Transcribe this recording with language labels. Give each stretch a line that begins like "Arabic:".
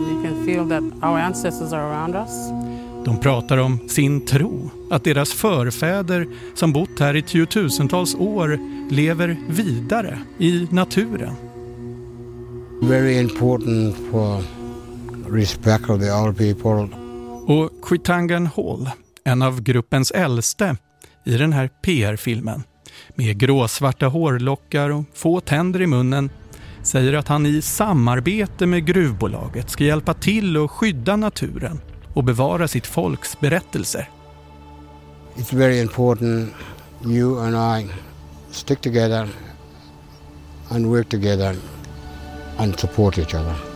English: You can feel that our ancestors are around us.
Swedish: De pratar om sin tro, att deras förfäder som bott här i tiotusentals år lever vidare i naturen.
English: Very important for respect of the old people.
Swedish: Och Quitangan Hall, en av gruppens äldste i den här PR-filmen, med gråsvarta hårlockar och få tänder i munnen, säger att han i samarbete med gruvbolaget ska hjälpa till att skydda naturen och bevara sitt folks berättelser.
English: It's very important you and I stick together and work together and support each other.